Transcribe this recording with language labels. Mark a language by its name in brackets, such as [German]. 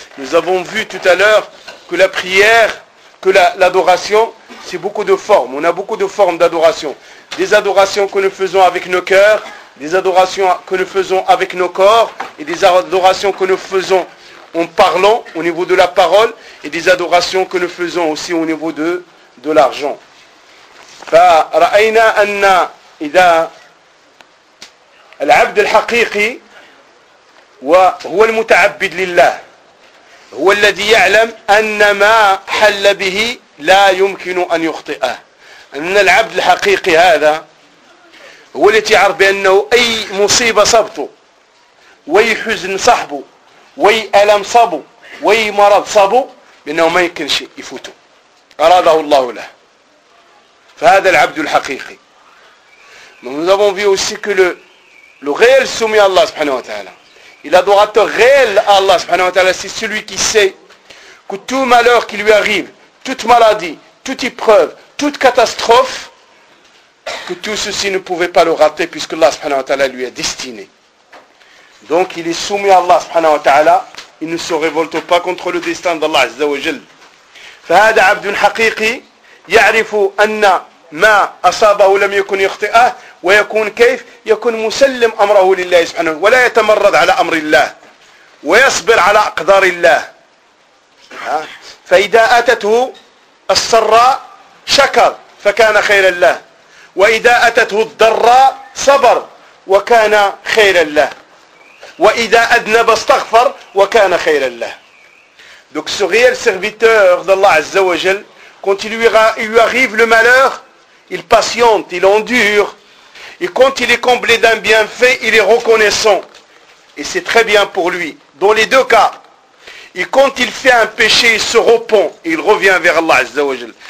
[French] Nous avons vu tout à l'heure que la prière, que l'adoration, c'est beaucoup de formes. On a beaucoup de formes d'adoration. Des adorations que nous faisons avec nos cœurs, des adorations que nous faisons avec nos corps, et des adorations que nous faisons en parlant au niveau de la parole, et des adorations que nous faisons aussi au niveau de l'argent. [Arabic] فرأينا أن إذا العبد الحقيقي وهو المتعبد لله هو الذي يعلم أن ما حل به لا يمكن أن يخطئه، أن العبد الحقيقي هذا هو الذي يعرف بأنه أي مصيبة صبته وأي حزن صحبه وأي ألم صبه وأي مرض صبه بأنه ما يمكن شيء يفوته أراده الله له. فهذا العبد الحقيقي. [French] Nous avons vu aussi que le réel soumis à Allah subhanahu wa ta'ala, et l'adorateur réel à Allah subhanahu wa ta'ala, c'est celui qui sait que tout malheur qui lui arrive, toute maladie, toute épreuve, toute catastrophe, que tout ceci ne pouvait pas le rater puisque Allah subhanahu wa ta'ala lui est destiné. Donc il est soumis à Allah subhanahu wa ta'ala, il ne se révolte pas contre le destin d'Allah azza wa jal. [Arabic] فهذا عبد حقيقي يعرف أن ما أصابه لم يكن يخطئه، ويكون كيف يكون مسلم أمره لله سبحانه، ولا يتمرد على أمر الله ويصبر على أقدار الله. فإذا أتته السراء شكر فكان خيرا له، وإذا أتته الضراء صبر وكان خيرا له، وإذا أذنب استغفر وكان خيرا له. [French] Donc ce réel serviteur d'Allah عز وجل, quand il lui arrive le malheur, il patiente, il endure. Et quand il est comblé d'un bienfait, il est reconnaissant. Et c'est très bien pour lui, dans les deux cas. Et quand il fait un péché, il se repent, il revient vers Allah Azza wa Jal.